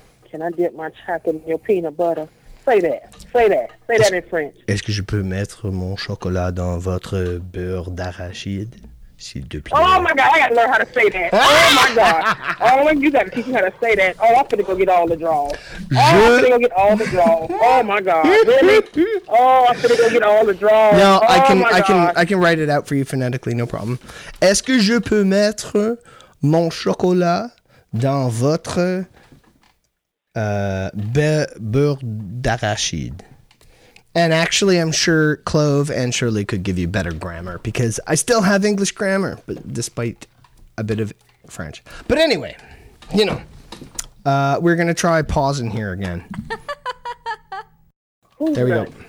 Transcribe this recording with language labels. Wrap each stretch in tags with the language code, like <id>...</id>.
<en>Can I dip my chocolate in your peanut butter? Say that in French.</en> <fr>Est-ce que je peux mettre mon chocolat dans votre beurre d'arachide, s'il te plaît?</fr> <en>Oh my God, I gotta learn how to say that. Oh my God. Oh, you gotta teach me how to say that. Oh, I'm gonna go get all the draws. Oh my God. Really? Oh, I'm gonna go get all the draws. No, oh, I can write it out for you phonetically, no problem.</en> <fr>Est-ce que je peux mettre mon chocolat dans votre beurre d'arachide?</fr> <en>And actually, I'm sure Clove and Shirley could give you better grammar because I still have English grammar, but despite a bit of French. But anyway, you know, we're going to try pausing here again. There we go.</en>